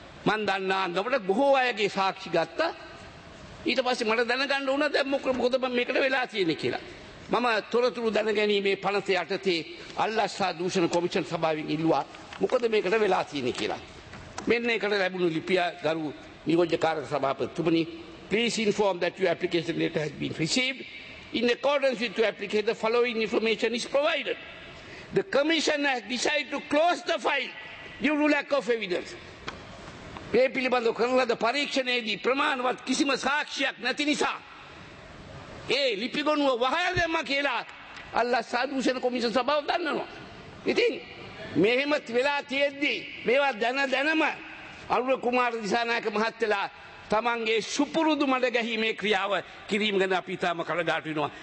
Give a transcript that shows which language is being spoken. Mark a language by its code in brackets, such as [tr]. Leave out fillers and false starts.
[si] මන් දන්නා අන්දමට බොහෝ අයගේ සාක්ෂි ගත්තා. ඊට පස්සේ මට දැනගන්න වුණා දැන් මොකද මේකට වෙලා තියෙන්නේ කියලා. මම තොරතුරු දැනගැනීමේ 58 තේ අල්ලස්සා දූෂණ කොමිෂන් සභාවෙන් ඉල්ලුවා මොකද මේකට වෙලා තියෙන්නේ කියලා. මෙන්න ඒකට ලැබුණු ලිපිය ගරු නියෝජ්‍යකාරක සභාපතිතුමනි, [en] please inform that your application letter has been received. In accordance with your application, the following information is provided. The commission has decided to close the file due to lack of evidence. [si] මේ පිළිබඳව කරන ලද පරීක්ෂණයේදී ප්‍රමාණවත් කිසිම සාක්ෂියක් නැති නිසා ඒ ලිපිගොනුව වහලා දැම්මා කියලා අල්ලා සාදුෂණ කොමිෂන් සභාව දන්නවා. ඉතින් මෙහෙම වෙලා තියෙද්දි මේවා දැන දැනම අනුර කුමාර දිසානායක මහත්තයලා තමන්ගේ සුපුරුදු මඩ ගැහිමේ ක්‍රියාව කිරීම ගැන අපි ඉතාම කලකට වෙනවා.